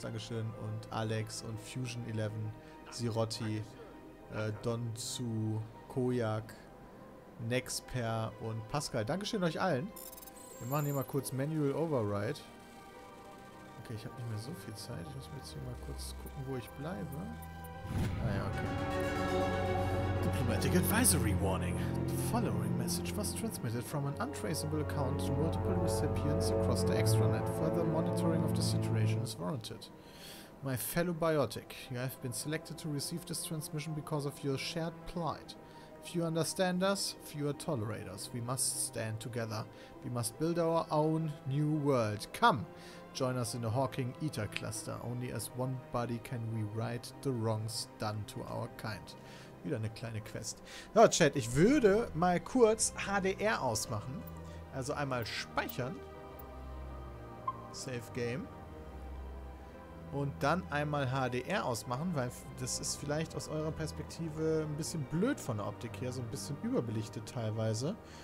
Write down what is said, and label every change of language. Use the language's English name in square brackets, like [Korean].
[German] Dankeschön. Und Alex und Fusion 11, Sirotti, Donzu, Koyak, Nexper und Pascal. Dankeschön euch allen. Wir machen hier mal kurz Manual Override. Okay, ich habe nicht mehr so viel Zeit. Ich muss jetzt hier mal kurz gucken, wo ich bleibe. Ah ja, okay. [English] Diplomatic Advisory Warning. The following message was transmitted from an untraceable account to multiple recipients across the extranet. Further monitoring of the situation is warranted. My fellow biotic, you have been selected to receive this transmission because of your shared plight. Few understand us, fewer tolerate us. We must stand together. We must build our own new world. Come, join us in the Hawking Eater Cluster. Only as one body can we right the wrongs done to our kind. [German] Wieder eine kleine Quest. So, Chat, ich würde mal kurz HDR ausmachen. Also einmal speichern. Save Game. Und dann einmal HDR ausmachen, weil das ist vielleicht aus eurer Perspektive ein bisschen blöd von der Optik her, so ein bisschen überbelichtet teilweise.